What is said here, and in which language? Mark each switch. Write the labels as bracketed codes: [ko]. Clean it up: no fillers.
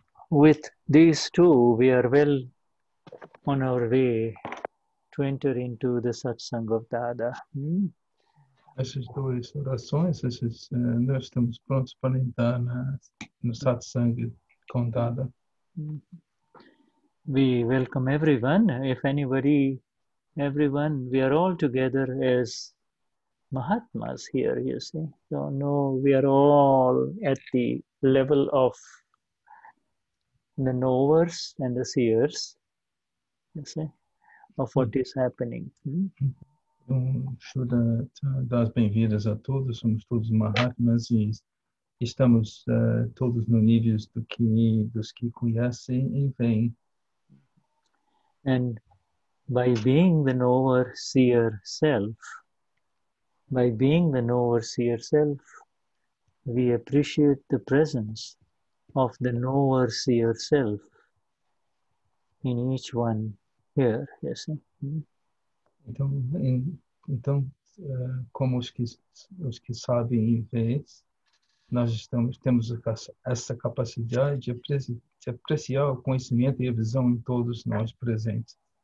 [en] With these two, we are well on our way to enter into the satsang of Dada. [pt] Essas duas orações, nós estamos prontos para entrar no satsang com Dada. [en] We welcome everyone. If anybody, everyone, we are all together as Mahatmas here, you see. So, no, we are all at the level of the knowers and the seers, you see, of what is happening. [pt] Shuddha das bem-vindas a todos, somos todos Mahatmas e estamos todos no nível dos que conhecem e vêm. [en] And by being the knower seer self, by being the knower seer self, we appreciate the presence of the knower seer self in each one here, you see. [pt] Então, como os que sabem e veem, nós temos essa capacidade de apreciar o conhecimento e a visão em todos nós presentes.